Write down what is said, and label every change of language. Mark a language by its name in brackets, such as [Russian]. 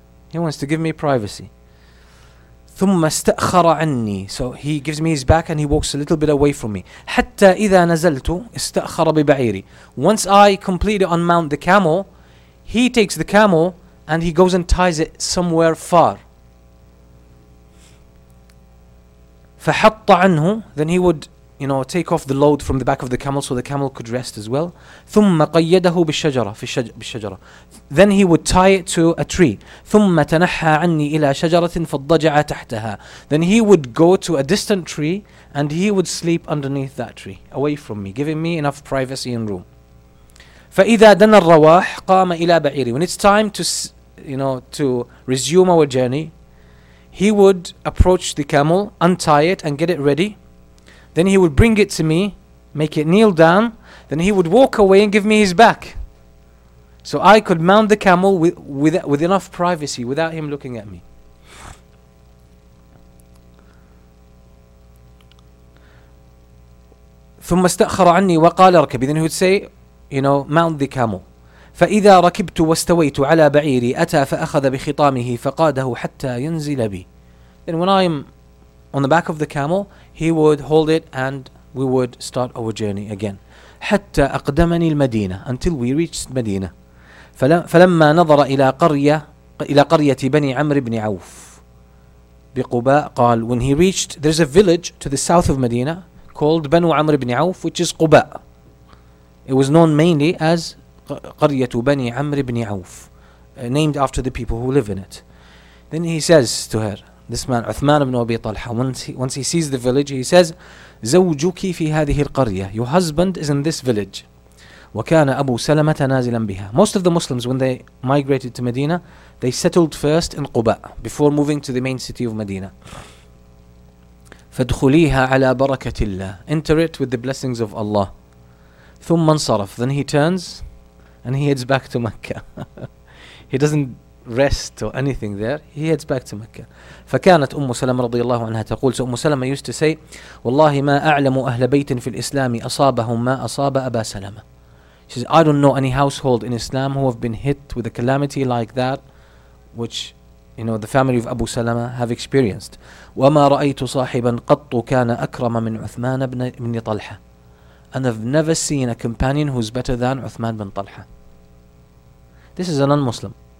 [English] He wants to give me privacy. [Arabic] ثم استأخر عني. [English] So he gives me his back and he walks a little bit away from me. [Arabic] حتى إذا نزلت استأخر ببعيري. [English] Once I completely unmount the camel, he takes the camel and he goes and ties it somewhere far. [Arabic] فحط عنه. [English] Then he would, you know, take off the load from the back of the camel so the camel could rest as well. [Arabic] ثم قيده بالشجرة في الشجرة. [English] Then he would tie it to a tree. [Arabic] ثم تنحى عني إلى شجرة فضجع تحتها. [English] Then he would go to a distant tree and he would sleep underneath that tree, away from me, giving me enough privacy and room. [Arabic] فإذا دنا الرواح قام إلى بعيري. [English] When it's time to, you know, to resume our journey, he would approach the camel, untie it and get it ready. Then he would bring it to me, make it kneel down. Then he would walk away and give me his back. So I could mount the camel with enough privacy, without him looking at me. [Arabic] ثم استأخر عني وقال اركبي. [English] Then he would say, you know, mount the camel. [Arabic] فإذا ركبت واستويت على بعيري أتى فأخذ بخطامه فقاده حتى ينزل بي. [English] Then when I'm on the back of the camel, he would hold it and we would start our journey again. [Arabic] حتى أقدمني المدينة, [English] until we reached [Arabic] مدينة. فلما نظر إلى قرية بني عمرو بن عوف بقباء قال, [English] when he reached, there's a village to the south of Medina called Banu Amr ibn Auf, which is Quba. It was known mainly as قرية بني عمرو بن عوف, named after the people who live in it. Then he says to her, this man Uthman ibn Abi Talha, once he sees the village, he says, [Arabic] زوجك في هذه القرية, [English] your husband is in this village. [Arabic] وكان أبو سلمة نازلا بها. [English] Most of the Muslims, when they migrated to Medina, they settled first in Quba before moving to the main city of Medina. [Arabic] فادخليها على بركة الله. [English] Enter it with the blessings of Allah. [Arabic] ثم انصرف. [English] Then he turns and he heads back to Mecca. He doesn't rest or anything there. He heads back to Mecca. [Arabic] فكانت أم سلمة رضي الله عنها تقول, [English] so أم سلمة used to say, [Arabic] والله ما أعلم أهل بيت في الإسلام أصابهم ما أصاب أبا سلمة. [English] She says, I don't know any household in Islam who have been hit with a calamity like that, which, you know, the family of Abu Salama have experienced. [Arabic] وَمَا رَأَيْتُ صَاحِبًا قَطُّ كَانَ أَكْرَمَ مِنْ عُثْمَانَ بْنِ طَلْحَ. [English] And I've never seen a companion who's better than Uthman bin Talha. This is a non-Muslim.